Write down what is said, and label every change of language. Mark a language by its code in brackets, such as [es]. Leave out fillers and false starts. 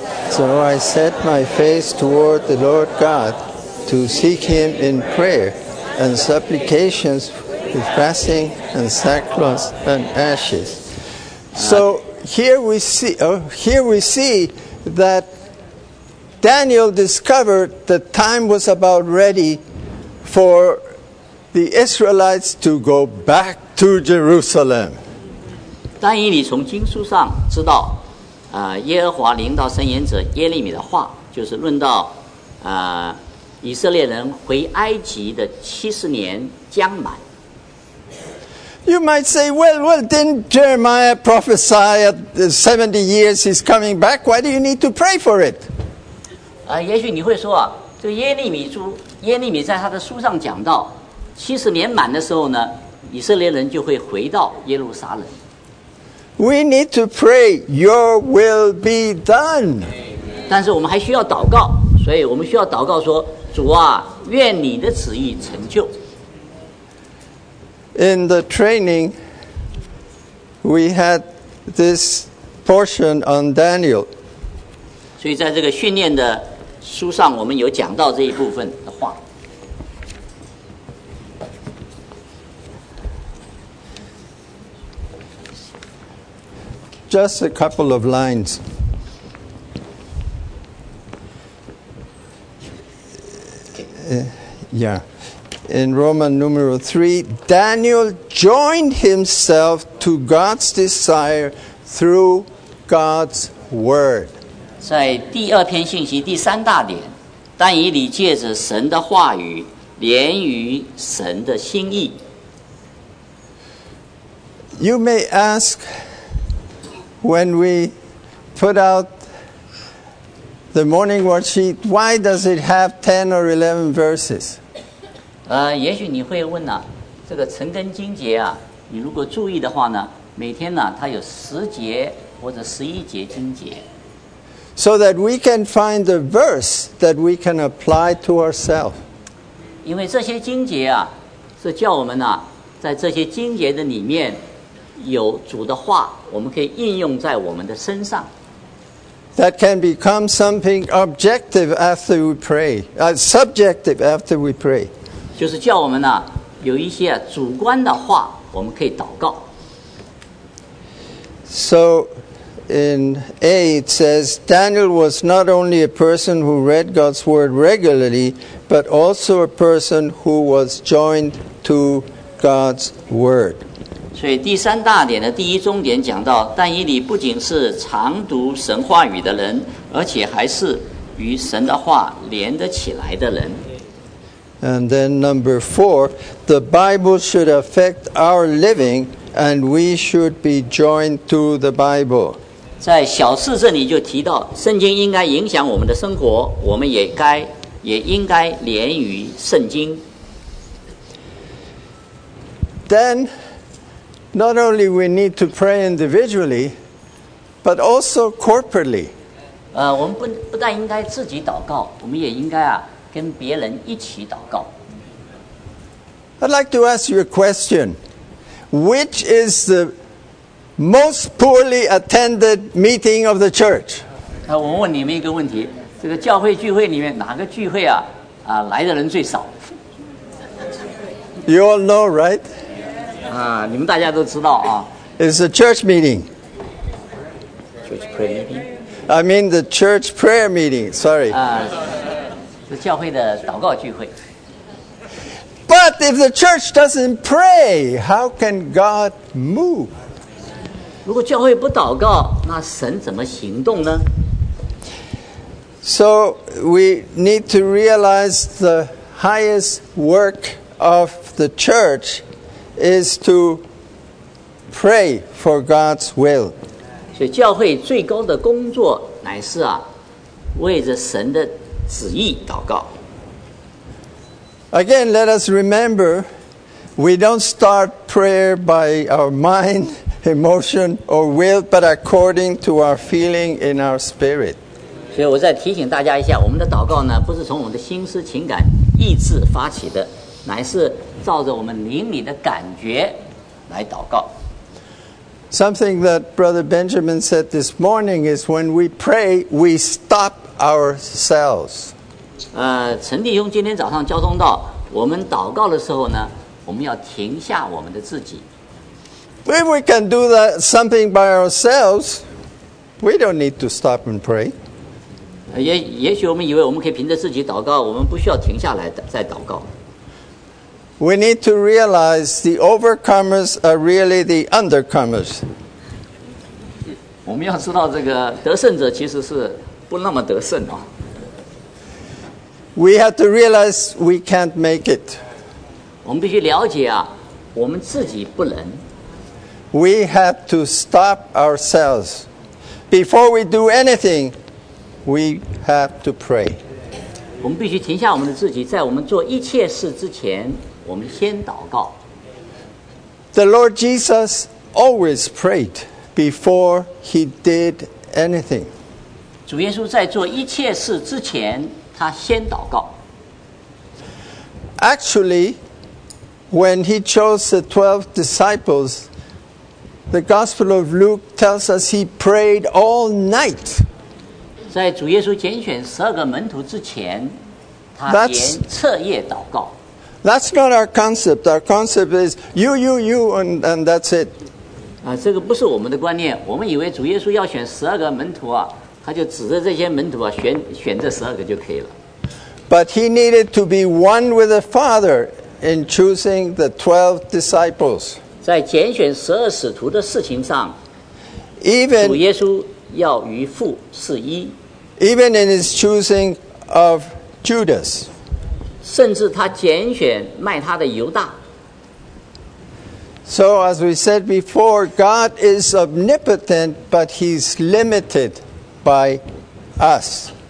[en] So I set my face toward the Lord God to seek him in prayer and supplications with fasting and sackcloth and ashes. So here we see thatDaniel discovered the time was about ready for the Israelites to go back to Jerusalem. [zh] 但以理从经书上知道，耶和华临到圣言者耶利米的话，就是论到，以色列人回埃及的70年将满。 [en] You might say, well, didn't Jeremiah prophesy at 70 years he's coming back? Why do you need to pray for it? [zh] 也许你会说啊，这个耶利米书，耶利米在他的书上讲到，七十年满的时候呢，以色列人就会回到耶路撒冷。 [en] We need to pray, Your will be done. [zh] 但是我们还需要祷告，所以我们需要祷告说，主啊，愿你的旨意成就。 [en] In the training, we had this portion on Daniel. [zh] 所以在这个训练的书上，我们有讲到这一部分的话。 [en] Just a couple of lines. Yeah. In Roman numeral 3, Daniel joined himself to God's desire through God's word. [zh] 在第二篇信息第三大点，但以理借着神的话语，连于神的心意。 [en] You may ask, when we put out the morning worksheet, why does it have 10 or 11 verses? [zh] 也许你会问呢，这个晨更经节啊，你如果注意的话呢，每天呢它有十节或者十一节经节。 [en] So that we can find the verse that we can apply to ourselves. [zh] 因为这些经节啊，是叫我们呢，在这些经节的里面有主的话，我们可以应用在我们的身上。 [en] That can become something objective after we pray, subjective after we pray. [zh] 就是叫我们呢，有一些主观的话，我们可以祷告。 [en] So, in A, it says Daniel was not only a person who read God's word regularly, but also a person who was joined to God's word. [zh] 所以第三大点的第一重点讲到，但以理不仅是常读神话语的人，而且还是与神的话连得起来的人。 [en] And then number 4, the Bible should affect our living, and we should be joined to the Bible. [zh] 在小四这里就提到，圣经应该影响我们的生活，我们也应该连于圣经。 [en] Then, not only we need to pray individually, but also corporately. [zh] 我们不但应该自己祷告，我们也应该啊跟别人一起祷告。 [en] I'd like to ask you a question. Which is the most poorly attended meeting of the church? [zh] 我问你们一个问题，这个教会聚会里面哪个聚会啊来的人最少？ [en] You all know, right? [zh] 你们大家都知道啊。 [en] It's a church meeting. Church prayer meeting? I mean the church prayer meeting, sorry. [zh] 是教会的祷告聚会。 [en] But if the church doesn't pray, how can God move? [zh] 如果教会不祷告，那神怎么行动呢？ [en] So we need to realize the highest work of the church is to pray for God's will. [zh] 所以教会最高的工作乃是啊，为着神的旨意祷告。 [en] Again, let us remember, we don't start prayer by our mind, emotion, or will, but according to our feeling in our spirit. [zh] 所以我再提醒大家一下，我们的祷告呢，不是从我们的心思、情感、意志发起的，乃是照着我们灵里的感觉来祷告。 [en] Something that Brother Benjamin said this morning is when we pray, we stop ourselves. [zh] 陈弟兄今天早上交通道，我们祷告的时候呢，我们要停下我们的自己。 [en] If we can do that something by ourselves, we don't need to stop and pray. [zh] 也许我们以为我们可以凭着自己祷告，我们不需要停下来再祷告。 [en] We need to realize the overcomers are really the undercomers. [zh] 我们要知道这个得胜者其实是不那么得胜啊。 [en] We have to realize we can't make it. [zh] 我们必须了解啊，我们自己不能。 [en] We have to stop ourselves. Before we do anything, we have to pray. [zh] 我们必须停下我们的自己，在我们做一切事之前我们先祷告。 [en] The Lord Jesus always prayed before he did anything. [zh] 主耶稣在做一切事之前，他先祷告。 [en] Actually, when he chose the 12 disciples, the Gospel of Luke tells us he prayed all night. [zh] 在主耶稣拣选十二个门徒之前，他连彻夜祷告。 [en] That's not our concept. Our concept is you, and that's it. [zh] 啊，这个不是我们的观念。我们以为主耶稣要选十二个门徒啊，他就指着这些门徒啊，选这十二个就可以了。 [en] But he needed to be one with the Father in choosing the 12 disciples. [zh] 在拣选十二使徒的事情上， [en] even [zh] 主耶稣要与父是一。 [en] Even in his choosing of Judas. [zh] 甚至他拣选卖他的犹大。 [en] So as we said before, God is omnipotent, but he's limited by us.